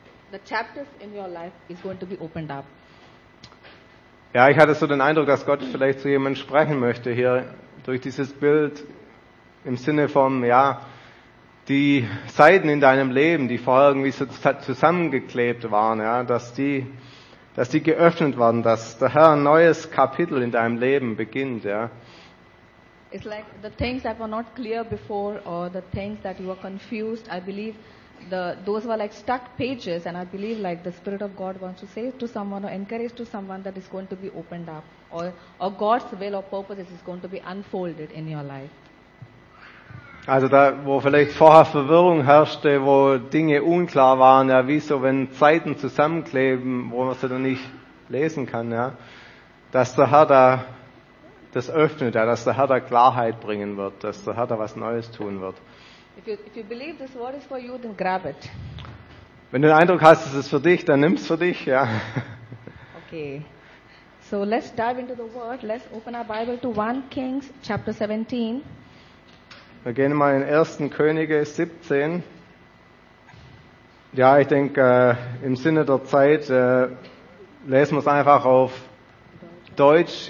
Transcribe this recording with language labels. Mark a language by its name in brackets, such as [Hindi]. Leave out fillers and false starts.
[English] The chapters in your life is going to be opened up. [German] Ja, ich hatte so den Eindruck, dass Gott vielleicht zu jemandem sprechen möchte hier durch dieses Bild im Sinne von, ja, die Seiten in deinem Leben, die vorher irgendwie so zusammengeklebt waren, ja, dass die geöffnet waren, dass der Herr ein neues Kapitel in deinem Leben beginnt, ja. [English] It's like the things that were not clear before or the things that you were confused, I believe those were like stuck pages and I believe like the Spirit of God wants to say to someone or encourage to someone that is going to be opened up or God's will or purpose is going to be unfolded in your life. [German] Also da, wo vielleicht vorher Verwirrung herrschte, wo Dinge unklar waren, ja, wie so, wenn Zeiten zusammenkleben, wo man sie dann nicht lesen kann, ja, dass der Herr da das öffnet, ja, dass der Herr da Klarheit bringen wird, dass der Herr da was Neues tun wird. [English] If you believe this word is for you, then grab it. [German] Wenn du den Eindruck hast, es ist für dich, dann nimm es für dich, ja. [English] Okay. So let's dive into the word. Let's open our Bible to 1 Kings chapter 17. [German] Wir gehen mal in 1. Könige 17. Ja, ich denke, im Sinne der Zeit lesen wir es einfach auf Deutsch.